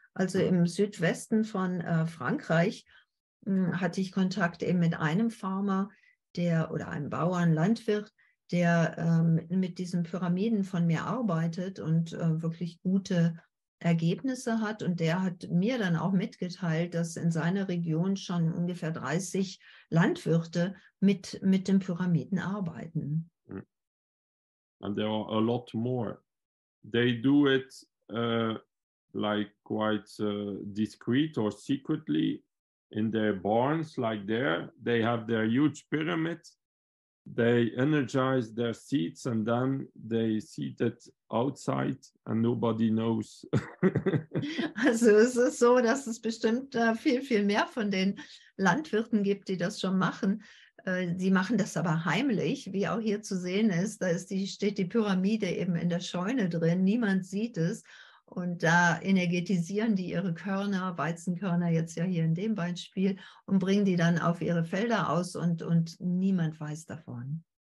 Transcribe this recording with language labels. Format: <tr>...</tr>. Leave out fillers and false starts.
<de>Also im Südwesten von Frankreich hatte ich Kontakt eben mit einem Farmer, einem Bauern, Landwirt, der mit diesen Pyramiden von mir arbeitet und wirklich gute Ergebnisse hat. Und der hat mir dann auch mitgeteilt, dass in seiner Region schon ungefähr 30 Landwirte mit den Pyramiden arbeiten.</de> <en>And there are a lot more. They do it like quite discreet or secretly in their barns, like there. They have their huge pyramid. They energize their seeds and then they seed it outside and nobody knows.</en> <de>Also es ist so, dass es bestimmt viel, viel mehr von den Landwirten gibt, die das schon machen. Sie machen das aber heimlich, wie auch hier zu sehen ist. Da steht die Pyramide eben in der Scheune drin. Niemand sieht es. Und da energetisieren die ihre Körner, Weizenkörner jetzt ja hier in dem Beispiel, und bringen die dann auf ihre Felder aus, und niemand weiß davon.</de>